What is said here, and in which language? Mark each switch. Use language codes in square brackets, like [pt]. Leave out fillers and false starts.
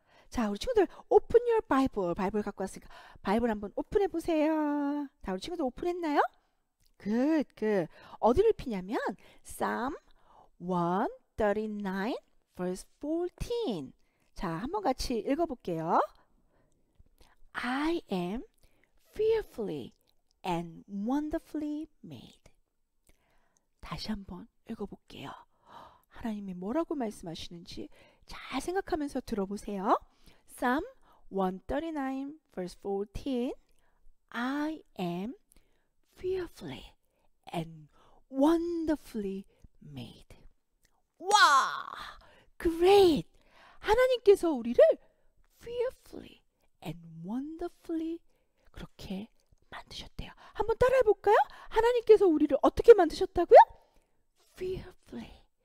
[ko] 자, 우리 친구들, [en] open your Bible. [ko] 바이블 갖고 왔으니까 바이블 한번 오픈해 보세요. 자, 우리 친구들 오픈했나요? 굿, 굿. 어디를 피냐면 [en] Psalm 139 verse 14. [ko] 자, 한번 같이 읽어볼게요. [en] I am fearfully and wonderfully made. [ko] 다시 한번 읽어볼게요. 하나님이 뭐라고 말씀하시는지 잘 생각하면서 들어보세요. [en] Psalm 139 verse 14. I am fearfully and wonderfully made. 와, great! [ko] 하나님께서 우리를 [en] fearfully and wonderfully [ko] 그렇게 만드셨대요. 한번 따라해 볼까요? 하나님께서 우리를 어떻게 만드셨다고요? Fearfully